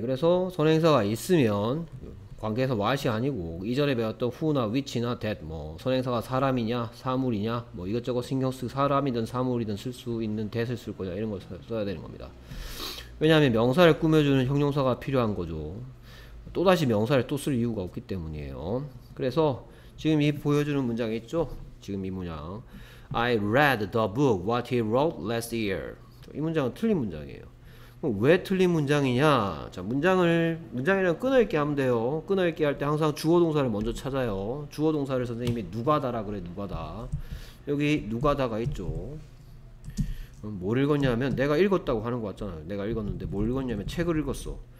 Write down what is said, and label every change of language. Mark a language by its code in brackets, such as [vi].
[ko] 그래서 선행사가 있으면 관계에서 what이 아니고 이전에 배웠던 who나 which나 that 뭐 선행사가 사람이냐 사물이냐 뭐 이것저것 신경 쓰 사람이든 사물이든 쓸수 있는 that을 쓸 거냐 이런 걸 써야 되는 겁니다. 왜냐하면 명사를 꾸며주는 형용사가 필요한 거죠. 또다시 명사를 또쓸 이유가 없기 때문이에요. 그래서 지금 이 보여주는 문장 있죠? 지금 이 문장 [en] I read the book what he wrote last year. [ko] 이 문장은 틀린 문장이에요. 왜 틀린 문장이냐? 자, 문장이랑 끊어읽기 하면 돼요. 끊어읽기 할때 항상 주어 동사를 먼저 찾아요. 주어 동사를 선생님이 누가다라 그래, 누가다. 여기 누가다가 있죠. 그럼 뭘 읽었냐면 내가 읽었다고 하는 거 같잖아요. 내가 읽었는데 뭘 읽었냐면 책을 읽었어.